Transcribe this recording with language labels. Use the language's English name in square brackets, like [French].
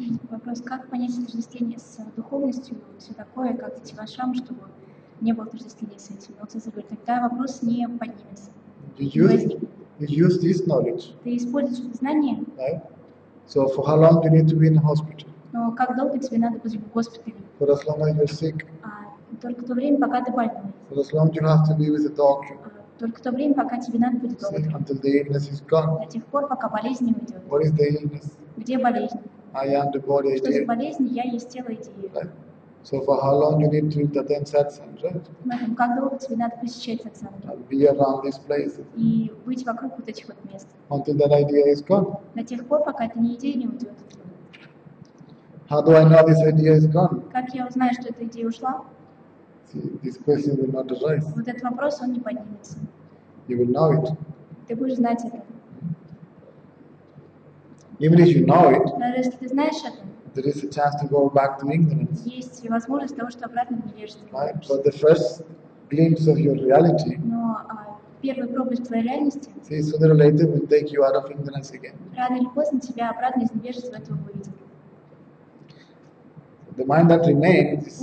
[Russian] Вопрос, как понять отождествление с духовностью, все такое, как идти в ашрам, чтобы не было отождествления с этим. Вот это говорит, тогда вопрос не поднимется. [English] You use this knowledge. [Russian] Ты используешь это знание. [English] Right? So for how long do you need to be in the hospital? [Russian] Но как долго тебе надо быть в госпитале? [English] For as long as you're sick. [Russian] Только то время, пока ты больной. [English] For as long as you have to be with the doctor. [Russian] Только то время, пока тебе надо быть доктором. [English] See, until the illness is gone. [Russian] До тех пор, пока болезнь не уйдет. [English] What is the illness? [Russian] Где болезнь? [English] I am the body. [Russian] Что за болезнь? Я есть тело и идея. [English] Right. So for how long you need to attend satsang, right? [Russian] Как долго тебе надо посещать сатсанг? [English] Be around this place. [Russian] И быть вокруг вот этих вот мест. [English] Until that idea is gone. [Russian] До тех пор, пока эта идея не уйдет. [English] How do I know this idea is gone? [Russian] Как я узнаю, что эта идея ушла? [English] See, this question will not arise. [Russian] Вот этот вопрос он не поднимется. [English] You will know it. [Russian] Ты будешь знать это. [English] Even if you know it, [Russian] даже если ты знаешь это, [English] there is a chance to go back to ignorance. [Russian] Есть возможность того, что обратно в невежество. [English] Right? But the first glimpse of your reality. [Russian] Но первый проблеск твоей реальности. [English] See, sooner or later will take you out of ignorance again. [Russian] Рано или поздно тебя обратно из невежества этого выведет. [English] The mind that remains is,